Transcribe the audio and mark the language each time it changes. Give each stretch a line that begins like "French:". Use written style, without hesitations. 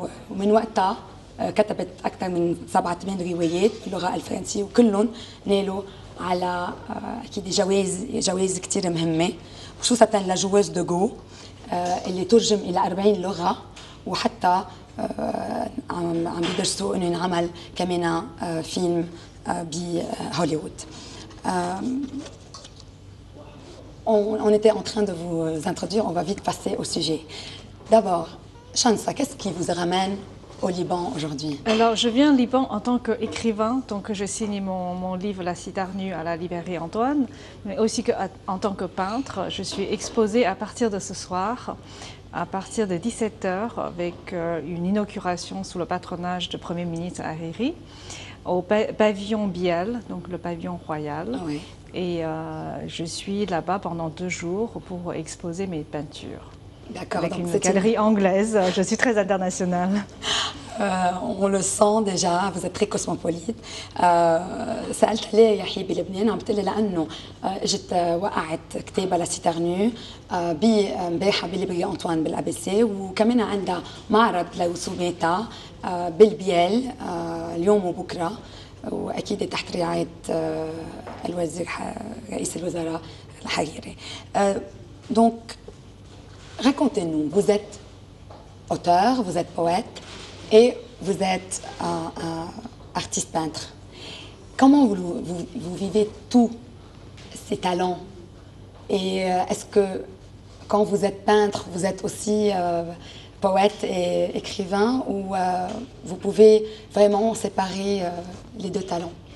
Arabic: ومن وقتها كتبت أكثر من 7-8 روايات باللغة الفرنسية، وكلهم نالوا على أكيد جوائز كثير مهمة، خصوصا لجواز دو جو اللي ترجم إلى 40 لغة، وحتى عم بيدرسوا إنه ينعمل كمان فيلم بهوليوود.
French: On était en train de vous introduire, on va vite passer au sujet. D'abord, Shansa, qu'est-ce qui vous ramène au Liban aujourd'hui? Alors, je viens au Liban en tant qu'écrivain, donc je signe mon livre La Citarnue à la librairie Antoine, mais aussi en tant que peintre. Je suis exposée à partir de ce soir, à partir de 17h, avec une inauguration sous le patronage du Premier ministre Hariri, au pavillon Biel, donc le pavillon royal. Oui. Et je suis là-bas pendant 2 jours pour exposer mes peintures. D'accord. Avec une galerie anglaise, je suis très internationale. On le sent déjà, vous êtes très cosmopolite.
Arabic: سألت ليه يا حبيبي لبنان؟ عم بتقلي لأنه جيت وقعت كتابة لسيتارنو بمباحة بليبري أنطوان بالأبيسي، وكمان عندها معرض لرسوماتها بالبيال اليوم وبكرة. وأكيد تحت رعاية الوزير رئيس الوزراء الحريري.
French: دونك racontez-nous, vous êtes auteur, vous êtes poète et vous êtes artiste peintre. Comment vous vivez tous ces talents? Et est-ce que quand vous êtes peintre, vous êtes aussi poète et écrivain, ou vous pouvez vraiment séparer les deux talents?